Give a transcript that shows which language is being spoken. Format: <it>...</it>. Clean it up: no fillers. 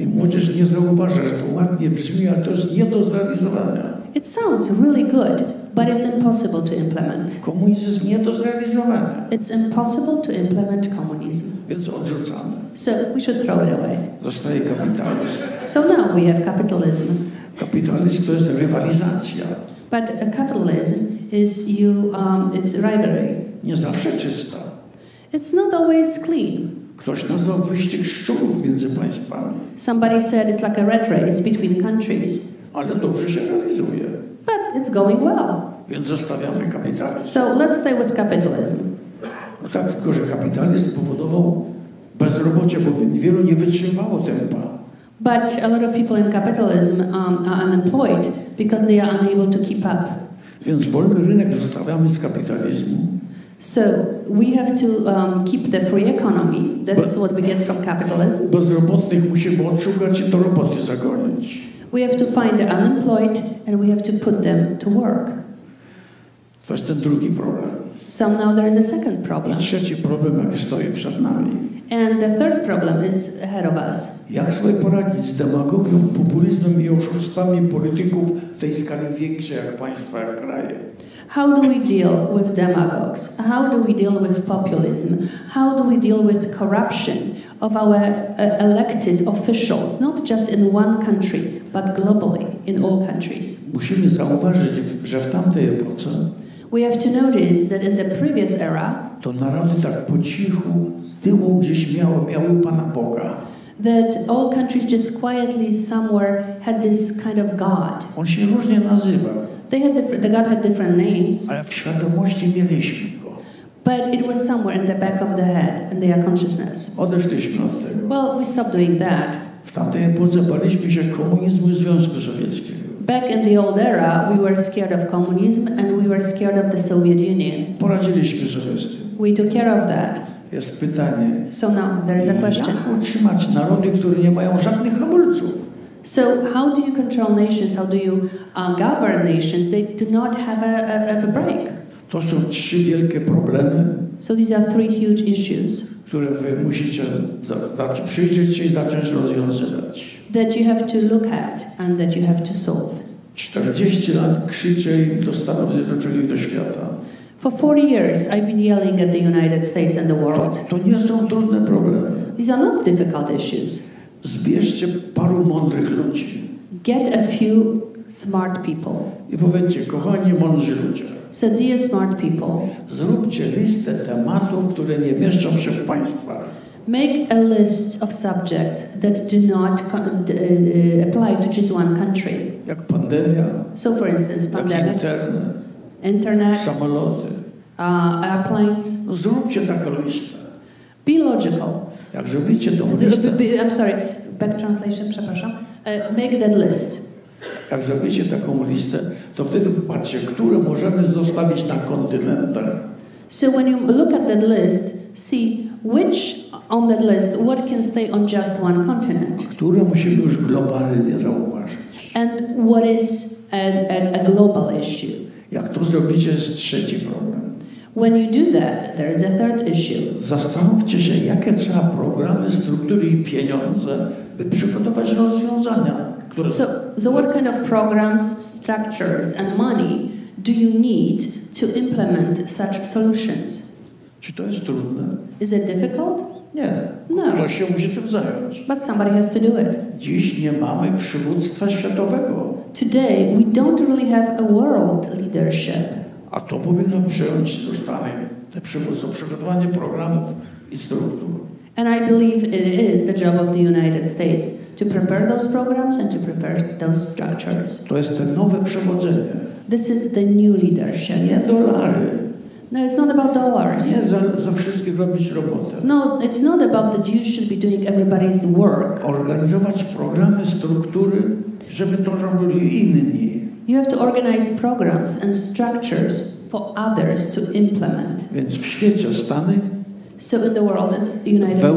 <pl>I młodzież nie zauważa, że to ładnie brzmi, ale to jest nie do zrealizowania.</pl> <en>It sounds really good, but it's impossible to implement.</en> <pl>Komunizm jest nie do zrealizowania.</pl> <en>It's impossible to implement communism.</en> <pl>Więc odrzucamy.</pl> <en>So we should throw it away.</en> <pl>Zostaje kapitalizm.</pl> <en>So now we have capitalism.</en> <pl>Kapitalizm to jest rywalizacja.</pl> <en>But a capitalism is it's rivalry.</en> <pl>Nie zawsze czysta.</pl> <en>It's not always clean.</en> <pl>Ktoś nazwał wyścig szczurów między państwami.</pl> <en>Somebody said it's like a rat race between countries.</en> <pl>Ale dobrze się realizuje.</pl> <en>But it's going well.</en> <pl>Więc zostawiamy kapitalizm.</pl> <en>So let's stay with capitalism.</en> <pl>No tak, tylko że kapitalizm powodował bezrobocie, bo wielu nie wytrzymało tempa.</pl> <en>But a lot of people in capitalism are unemployed because they are unable to keep up.</en> <pl>Więc wolny rynek zostawiamy z kapitalizmu.</pl> <en>So we have to keep the free economy. That's what we get from capitalism.</en> <pl>Bezrobotnych musimy odszukać i do roboty zagonić.</pl> <en>We have to find the unemployed and we have to put them to work.</en> <pl>To jest ten drugi problem.</pl> <en>So now there is a second problem.</en> <pl>I trzeci problem, jaki stoi przed nami.</pl> <en>And the third problem is ahead of us.</en> <pl>Jak sobie poradzić z demagogią, populizmem i oszustami polityków w tej skali większej jak państwa, jak kraje?</pl> <en>How do we deal with demagogues? How do we deal with populism? How do we deal with corruption of our elected officials, not just in one country, but globally, in all countries?</en> <pl>Musimy zauważyć, że w tamtej epoce</pl> <en>we have to notice that in the previous era</en> <pl>to narody tak po cichu, z tyłu gdzieś miały Pana Boga.</pl> <en>That all countries just quietly somewhere had this kind of God.</en> <pl>On się różnie nazywał.</pl> <en>They had different, the God had different names.</en> <pl>Ale w świadomości mieliśmy go.</pl> <en>But it was somewhere in the back of the head, in their consciousness.</en> <pl>Odeszliśmy od tego.</pl> <en>Well, we stopped doing that.</en> <pl>W tamtej epoce baliśmy się komunizmu i Związku Sowieckiego.</pl> <en>Back in the old era, we were scared of communism and we were scared of the Soviet Union.</en> <pl>Poradziliśmy sobie z tym.</pl> <en>We took care of that.</en> <pl>Jest pytanie.</pl> <en>So now there is a question.</en> <pl>Jak utrzymać narody, które nie mają żadnych hamulców?</pl> <en>So how do you control nations? How do you govern nations? They do not have a break.</en> <pl>To są trzy wielkie problemy.</pl> <en>So these are three huge issues.</en> <pl>Które wy musicie przyjrzeć się i zacząć rozwiązywać.</pl> <en>That you have to look at and that you have to solve.</en> <pl>40 lat krzyczę do Stanów Zjednoczonych, do świata.</pl> <en>For 40 years I've been yelling at the United States and the world.</en> <pl>To nie są trudne problemy.</pl> <en>These are not difficult issues.</en> <pl>Zbierzcie paru mądrych ludzi.</pl> <en>Get a few smart people.</en> <pl>I powiedzcie, kochani mądrzy ludzie.</pl> <en>So dear smart people.</en> <pl>Zróbcie listę tematów, które nie mieszczą się w państwach.</pl> <en>Make a list of subjects that do not apply to just one country.</en> <pl>Jak pandemia.</pl> <en>So for instance, pandemic.</en> <pl>Internet. Samoloty.</pl> <en>Airplanes.</en> <pl>No, zróbcie taką listę.</pl> <en>Be logical.</en> <pl>Jak zrobicie tą listę.</pl> <en>I'm sorry, back translation,</en> <pl>przepraszam.</pl> <en>Make that list.</en> <pl>Jak zrobicie taką listę, to wtedy popatrzcie, które możemy zostawić na kontynentach.</pl> <en>So when you look at that list, see which on that list, what can stay on just one continent?</en> <pl>Które musimy już globalnie zauważyć.</pl> <en>And what is a global issue?</en> <pl>Jak to zrobicie, jest trzeci problem.</pl> <en>When you do that, there is a third issue.</en> <pl>Zastanówcie się, jakie trzeba programy, struktury i pieniądze, by przygotować rozwiązania. Które...</pl> <en>So what kind of programs, structures and money do you need to implement such solutions?</en> <pl>Czy to jest trudne?</pl> <en>Is it difficult?</en> <pl>Nie. Ktoś się musi tym zająć.</pl> <en>But somebody has to do it.</en> <pl>Dziś nie mamy przywództwa światowego.</pl> <en>Today we don't really have a world leadership.</en> <pl>A to powinno przejąć ze strony te przywództwo, przygotowanie programów i struktur.</pl> <en>And I believe it is the job of the United States to prepare those programs and to prepare those structures.</en> <pl>To jest to nowe przewodzenie.</pl> <en>This is the new leadership.</en> <pl>Nie dolary.</pl> <en>No, it's not about dollars.</en> <pl>Nie za wszystkich robić robotę.</pl> <en>No, it's not about that you should be doing everybody's work.</en> <pl>Organizować programy, struktury, żeby to robili inni.</pl> <en>You have to organize programs and structures for others to implement.</en> <pl>Więc w świecie Stany.</pl> <en>So in the world, it's the United States.</en>